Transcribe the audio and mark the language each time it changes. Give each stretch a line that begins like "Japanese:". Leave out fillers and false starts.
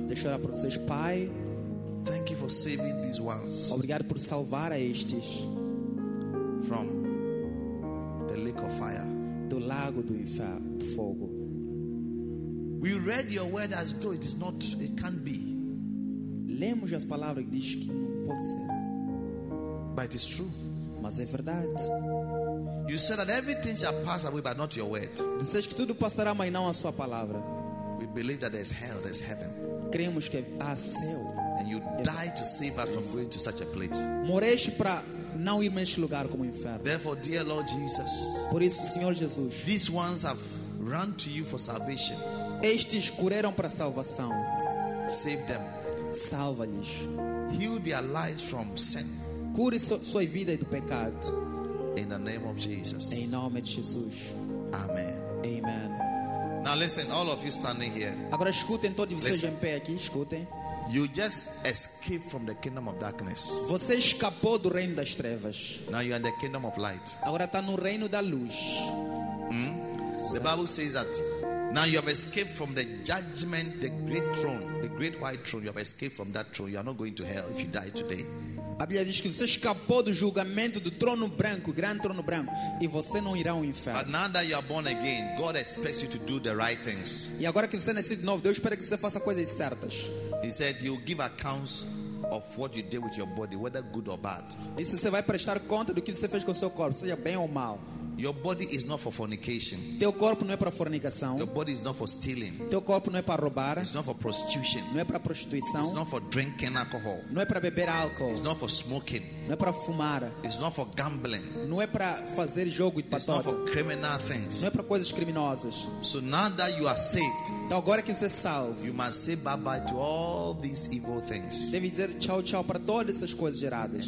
Portuguese: Deixa eu orar para vocês, Pai.
English: Thank you for saving these ones.
Portuguese: Obrigado por salvar a estes.
English: From the lake of fire.
Portuguese: Do lago do fogo.
English: We read your word as though it is not, it can't be.
Portuguese: Lemos as palavras que diz que não pode ser.
English: But it is true.
Portuguese: Mas é verdade.
English: You said that everything shall pass away, but not your word.
Portuguese: Dizes que tudo passará, mas não a sua palavra.
English: We believe that there is hell, there is heaven.
Portuguese: Cremos que há céu.
English: And you died to save us from going to such a place.
Portuguese: Moreste para não ir neste lugar como inferno.
English: Therefore, dear Lord Jesus.
Portuguese: Por isso, Senhor Jesus.
English: These ones have run to you for salvation.
Portuguese: Estes correram para a salvação.
English: Save them.
Portuguese: Salva-lhes.
English: Heal their lives from sin.
Portuguese: Cure sua vida do pecado.
English: In the name of Jesus.
Portuguese: Em nome de Jesus. Amen. Amen.
English: Now listen, all of you standing here.
Portuguese: Agora escutem todos vocês em pé aqui, escutem.
English: You just escaped from the kingdom of darkness.
Portuguese: Você escapou do reino das trevas.
English: Now you are in the kingdom of light.
Portuguese: Agora está no reino da luz.
English: The Bible says that. Now you have escaped from the judgment, the great throne, the great white throne. You have escaped from that throne. You are not going to hell if you die today.
Portuguese: A Bíblia diz que você escapou do julgamento do trono branco, grande trono branco, e você não irá ao inferno.
English: But now that you are born again, God expects you to do the right things.
Portuguese: E agora que você nasceu de novo, Deus espera que você faça coisas certas.
English: He said he'll give accounts of what you did with your body, whether good or bad.
Portuguese: Isso, você vai prestar conta do que você fez com o seu corpo, seja bem ou mal.
English: Your body is not for fornication.
Portuguese: Teu corpo não é para fornicação.
English: Your body is not for stealing.
Portuguese: Teu corpo não é para roubar.
English: It's not for prostitution.
Portuguese: Não é para prostituição.
English: It's not for drinking alcohol.
Portuguese: Não é para beber álcool.
English: It's not for smoking.
Portuguese: Não é para fumar.
English: It's not for gambling.
Portuguese: Não é para fazer jogo de patota.
English: It's not for criminal things.
Portuguese: Não é para coisas criminosas.
English: So now that you are saved,
Portuguese: então agora que você é salvo,
English: you must say bye bye to all these evil things.
Portuguese: Deve dizer tchau tchau para todas essas coisas geradas.